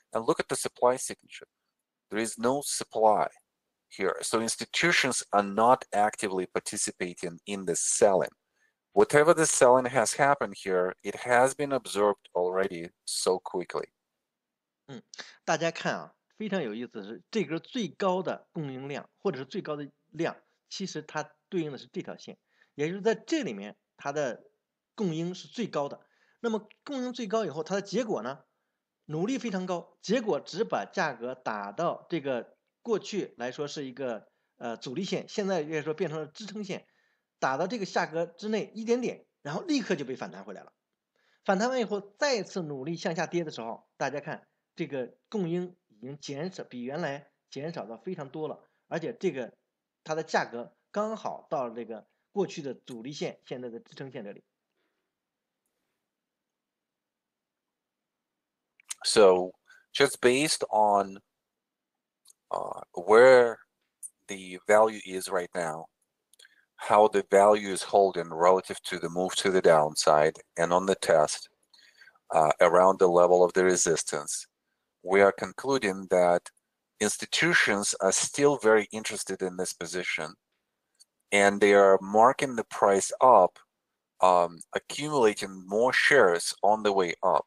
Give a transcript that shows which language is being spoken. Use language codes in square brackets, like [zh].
[en] And look at the supply signature. There is no supply. Here. So institutions are not actively participating in the selling. Whatever the selling has happened here, it has been absorbed already so quickly. [zh] 大家看啊，非常有意思的是，这根最高的供应量或者是最高的量，其实它对应的是这条线，也就是在这里面它的供应是最高的。那么供应最高以后，它的结果呢？努力非常高，结果只把价格打到这个。过去来说是一个阻力线，现在也说变成了支撑线，打到这个价格之内一点点，然后立刻就被反弹回来了。反弹完以后再次努力向下跌的时候，大家看这个供应已经减少，比原来减少的非常多了，而且这个它的价格刚好到了这个过去的阻力线，现在的支撑线这里。 [en] So just based onWhere the value is right now, how the value is holding relative to the move to the downside and on the test, around the level of the resistance, we are concluding that institutions are still very interested in this position, and they are marking the price up, accumulating more shares on the way up.